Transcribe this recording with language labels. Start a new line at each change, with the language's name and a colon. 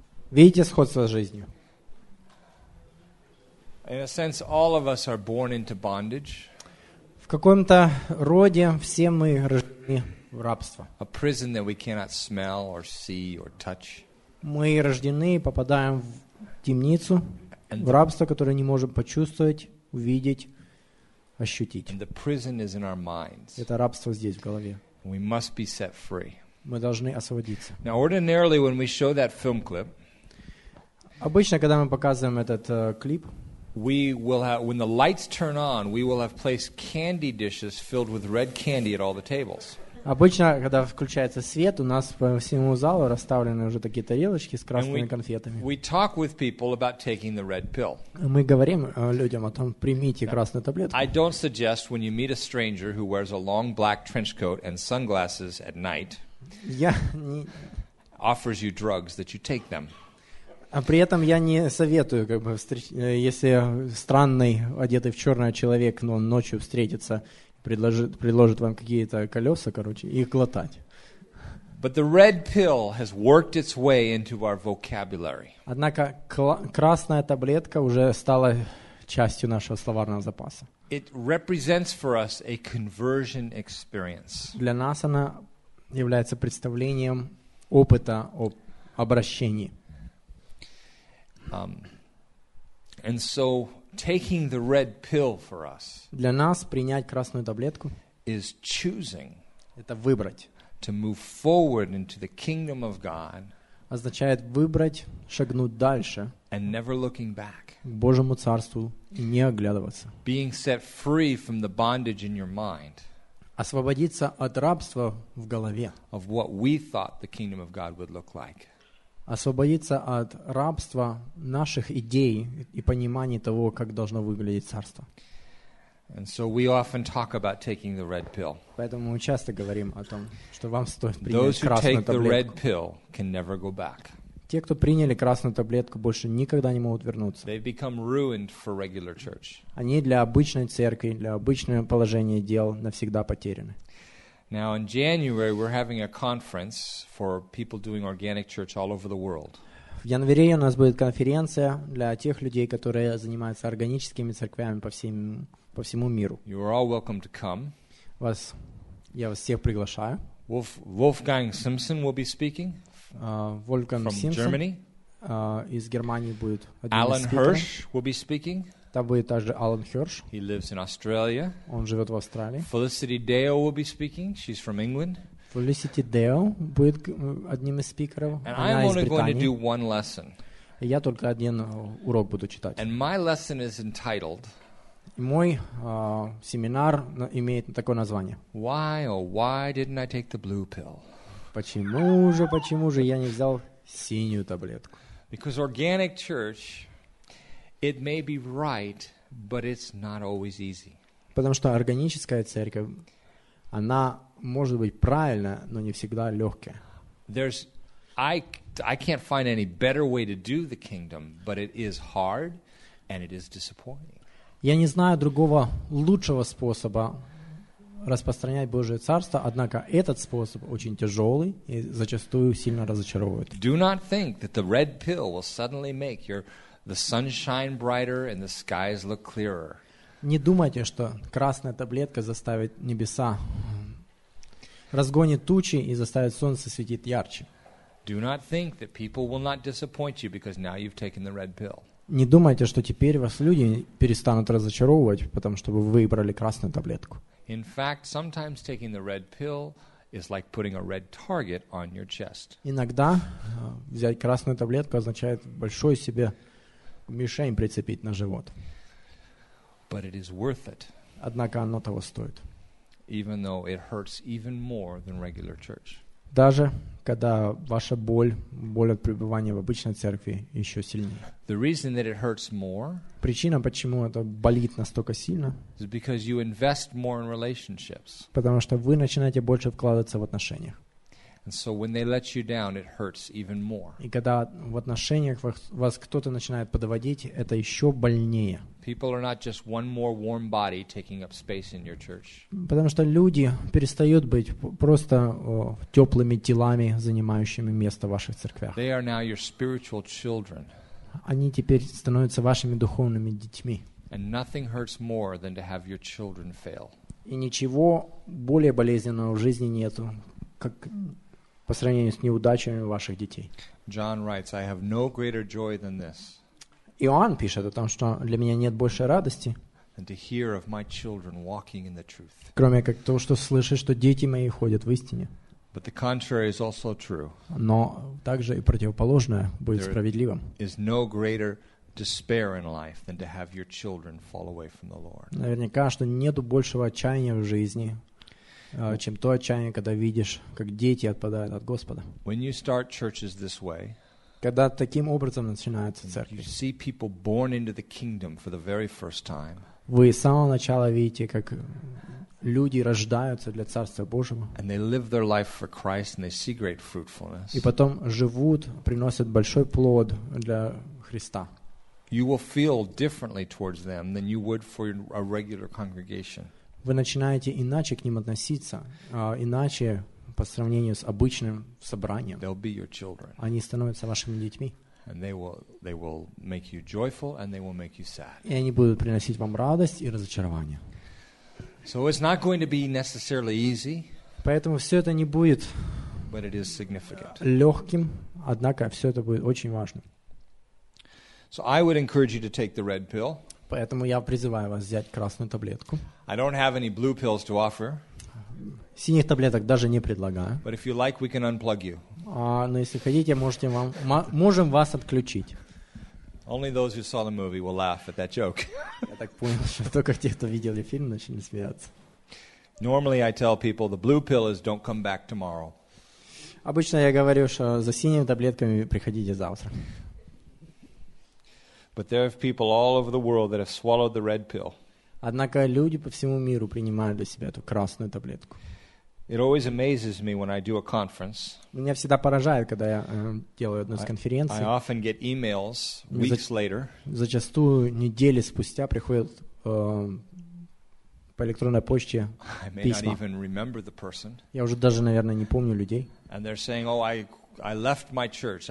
Russian: Видите сходство с жизнью?
English: In a sense, all of us are born into bondage.
Russian: В каком-то роде все мы рождены в рабство.
English: A prison that we cannot smell or see or touch.
Russian: Мы рождены и попадаем в темницу, в рабство, которое не можем почувствовать, увидеть, ощутить. Это рабство здесь, в голове.
English: We must be set free.
Russian: Мы должны освободиться.
English: Now, ordinarily, when we show that film clip,
Russian: обычно, когда мы показываем этот клип,
English: we will have, when the lights turn on, we will have placed candy dishes filled with red candy at all the tables.
Russian: Обычно, когда включается свет, у нас по всему залу расставлены уже такие тарелочки с красными конфетами.
English: We talk with people about taking the red pill.
Russian: Мы говорим людям о том, примите красную таблетку.
English: I don't suggest when you meet a stranger who wears a long black trench coat and sunglasses at night, offers you drugs that you take them.
Russian: А при этом я не советую, как бы, если странный, одетый в черное человек, но он ночью встретится, предложит вам какие-то колеса, короче, их глотать.
English: But the red pill has worked its way into our vocabulary.
Russian: Однако красная таблетка уже стала частью нашего словарного запаса.
English: It represents for us a conversion experience.
Russian: Для нас она является представлением опыта об обращении.
English: And so taking the red pill for us
Russian: для нас принять красную таблетку
English: is choosing
Russian: это выбрать
English: to move forward into the kingdom of God
Russian: означает выбрать шагнуть дальше
English: and never looking back
Russian: к Божьему царству и не оглядываться
English: being set free from the bondage in your mind
Russian: освободиться от рабства в голове
English: of what we thought the kingdom of God would look like
Russian: освободиться от рабства наших идей и понимания того, как должно выглядеть царство. And so we often talk about taking the red pill. Поэтому мы часто говорим о том, что вам стоит принять
English: Those
Russian: красную таблетку.
English: Those who take the red pill can never go back.
Russian: Те, кто приняли красную таблетку, больше никогда не могут вернуться.
English: They've become ruined for regular church.
Russian: Они для обычной церкви, для обычного положения дел навсегда потеряны.
English: Now in January we're having a conference for people doing organic church all over the world.
Russian: В январе у нас будет конференция для тех людей, которые занимаются органическими церквями по всему миру.
English: You are all welcome to come.
Russian: Я вас всех приглашаю.
English: Wolfgang Simpson will be speaking.
Russian: Wolfgang Simpson.
English: From Germany.
Russian: Из Германии будет один из спикеров.
English: Alan Hirsch will be speaking.
Russian: Там будет также Алан Хёрш.
English: He lives in Australia.
Russian: Он живет в Австралии.
English: Felicity Deo will be speaking. She's from England.
Russian: Felicity Deo будет одним из спикеров.
English: And
Russian: она
English: I'm
Russian: из
English: only
Russian: Британии.
English: Going to do one lesson.
Russian: И я только один урок буду читать.
English: And my lesson is entitled.
Russian: И мой семинар имеет такое название.
English: Why or why didn't I take the blue pill?
Russian: Почему же я не взял синюю таблетку?
English: Because organic church. It may be right, but it's not always easy.
Russian: Потому что органическая церковь, она может быть правильна, но не всегда легкая.
English: There's, I can't find any better way to do the kingdom, but it is hard, and it is disappointing.
Russian: Я не знаю другого лучшего способа распространять Божие царство, однако этот способ очень тяжелый и зачастую сильно разочаровывает.
English: Do not think that the red pill will suddenly make your The sunshine brighter and the skies look clearer.
Russian: Не думайте, что красная таблетка заставит небеса разгонит тучи и заставит солнце светить ярче.
English: Do not think that people will not disappoint you because now you've taken the red pill.
Russian: Не думайте, что теперь вас люди перестанут разочаровывать, потому что вы выбрали красную таблетку.
English: In fact, sometimes taking the red pill is like putting a red target on your chest.
Russian: Иногда взять красную таблетку означает большой себе мишень прицепить на живот.
English: But it is worth it.
Russian: Однако оно того стоит.
English: Even though it hurts even more than regular church.
Russian: Даже когда ваша боль от пребывания в обычной церкви еще сильнее.
English: The reason that it hurts more
Russian: причина, почему это болит настолько сильно,
English: is because you invest more in relationships.
Russian: Потому что вы начинаете больше вкладываться в отношениях.
English: And so when they let you down, it hurts even more.
Russian: И когда в отношениях вас кто-то начинает подводить, это еще больнее.
English: People are not just one more warm body taking up space in your church.
Russian: Потому что люди перестают быть просто теплыми телами, занимающими место в ваших церквях.
English: They are now your spiritual children.
Russian: Они теперь становятся вашими духовными детьми.
English: And nothing hurts more than to have your children fail.
Russian: И ничего более болезненного в жизни нету, как по сравнению с неудачами ваших детей.
English: John writes, I have no greater joy than this.
Russian: Иоанн пишет о том, что для меня нет большей радости,
English: than to hear of my children walking in the truth.
Russian: Кроме как то, что слышать, что дети мои ходят в истине.
English: But the contrary is also true.
Russian: Но также и противоположное будет
English: there
Russian: справедливым.
English: Is no greater despair in life than to have your children fall away from the Lord.
Russian: Наверняка, что нету большего отчаяния в жизни, чем то отчаяние, когда видишь, как дети отпадают от Господа.
English: When you start churches this way,
Russian: когда таким образом начинается церковь,
English: you see people born into the kingdom for the very first time.
Russian: Вы с самого начала видите, как люди рождаются для Царства Божьего.
English: And they live their life for Christ, and they see great fruitfulness.
Russian: И потом живут, приносят большой плод для Христа.
English: You will feel differently towards them than you would for a regular congregation.
Russian: Вы начинаете иначе к ним относиться, иначе по сравнению с обычным собранием.
English: They'll be your children.
Russian: Они становятся вашими детьми.
English: And they will make you joyful and they will make you sad.
Russian: И они будут приносить вам радость и разочарование.
English: So it's not going to be necessarily easy.
Russian: Поэтому все это не будет.
English: But it is significant.
Russian: Легким, однако все это будет очень важным.
English: So I would encourage you to take the red pill.
Russian: Поэтому я призываю вас взять красную таблетку.
English: I don't have any blue pills to offer.
Russian: Синих таблеток даже не предлагаю.
English: But if you like, we can unplug you.
Russian: Но если хотите, можем вас отключить.
English: Only those who saw the movie will laugh at that joke.
Russian: Я так понял, что только те, кто видели фильм, начали смеяться.
English: Normally I tell people the blue pill is don't come back tomorrow.
Russian: Обычно я говорю, что за синими таблетками приходите завтра.
English: But there are people all over the world that have swallowed the red pill.
Russian: Однако люди по всему миру принимают для себя эту красную таблетку.
English: It always amazes me when I do a conference.
Russian: Меня всегда поражает, когда я делаю одну из конференций.
English: I often get emails weeks later.
Russian: Зачастую недели спустя приходят по электронной почте письма.
English: I may not even remember the person.
Russian: Я уже даже, наверное, не помню людей.
English: And they're saying, "Oh, I left my church.